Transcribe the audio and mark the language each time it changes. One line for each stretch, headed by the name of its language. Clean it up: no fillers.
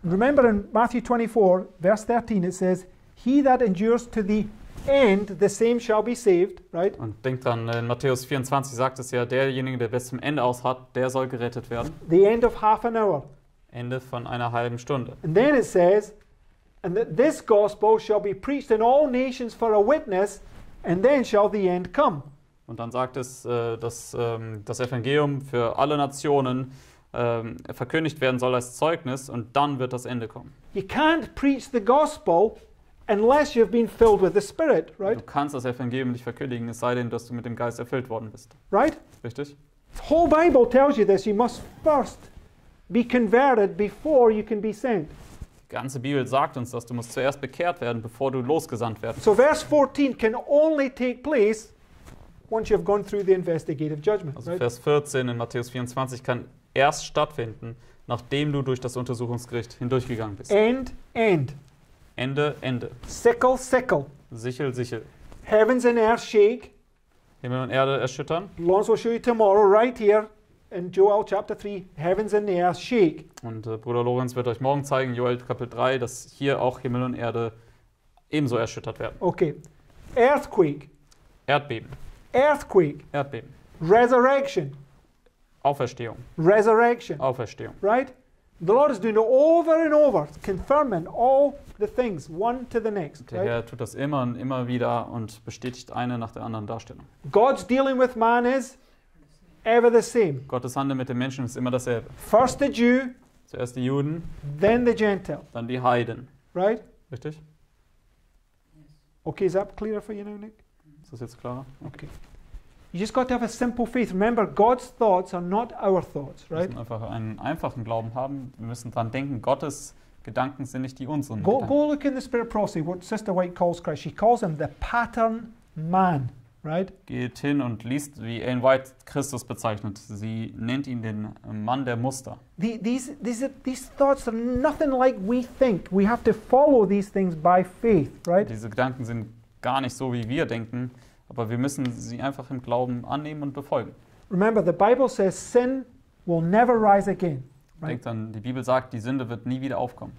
English: Remember in Matthew 24, verse 13, it says, he that endures to the end, the same shall be saved, right?
German: Und denkt dran, in Matthäus 24 sagt es ja, derjenige, der bis zum Ende aus hat, der soll gerettet werden.
English: The end of half an hour.
German: Ende von einer halben Stunde.
English: And then it says, and that this gospel shall be preached in all nations for a witness, and then shall the end come.
German: Und dann sagt es, dass das Evangelium für alle Nationen verkündigt werden soll als Zeugnis, und dann wird das Ende kommen.
English: You can't preach the gospel unless you've been filled with the Spirit, right?
German: Du kannst das Evangelium nicht verkündigen, es sei denn, dass du mit dem Geist erfüllt worden bist.
English: Right?
German: Richtig?
English: The whole Bible tells you this. You must first be converted before you can be sent.
German: Die ganze Bibel sagt uns, dass du musst zuerst bekehrt werden, bevor du losgesandt werden musst.
English: So verse 14 can only take place once you've gone through the investigative judgment.
German: Also Vers 14 in Matthäus 24 kann erst stattfinden, nachdem du durch das Untersuchungsgericht hindurchgegangen bist.
English: End, end.
German: Ende, Ende.
English: Sickle, sickle.
German: Sichel, sichel.
English: Heavens and earth shake.
German: Himmel und Erde erschüttern.
English: Lawrence will show you tomorrow right here. In Joel chapter 3, heavens and the earth shake.
German: Und Bruder Lorenz wird euch morgen zeigen, Joel Kapitel 3, dass hier auch Himmel und Erde ebenso erschüttert werden.
English: Okay. Earthquake.
German: Erdbeben.
English: Earthquake.
German: Erdbeben.
English: Resurrection.
German: Auferstehung.
English: Resurrection.
German: Auferstehung.
English: Right? The Lord is doing it over and over, confirming all the things, one to the next.
German: Der
English: right?
German: Herr tut das immer und immer wieder und bestätigt eine nach der anderen Darstellung.
English: God's dealing with man is ever the same.
German: Gottes Handeln mit den Menschen ist immer dasselbe.
English: First the Jew,
German: zuerst die Juden,
English: then the Gentile,
German: dann die Heiden.
English: Right?
German: Richtig?
English: Okay, is that clearer for you now, Nick?
German: Ist das jetzt klarer?
English: Okay. You just got to have a simple faith. Remember, God's thoughts are not our thoughts, right?
German: Wir müssen einfach einen einfachen Glauben haben. Wir müssen dran denken, Gottes Gedanken sind nicht die unseren.
English: Go look in the Spirit of Prophecy, what Sister White calls Christ. She calls him the pattern man. Right?
German: Geht hin und liest, wie Ellen White Christus bezeichnet. Sie nennt ihn den Mann der Muster.
English: These thoughts are nothing like we think. We have to follow these things by faith, right?
German: Diese Gedanken sind gar nicht so, wie wir denken, aber wir müssen sie einfach im Glauben annehmen und befolgen.
English: Remember, the Bible says sin will never rise again. Right?
German: Denkt an, die Bibel sagt, die Sünde wird nie wieder aufkommen.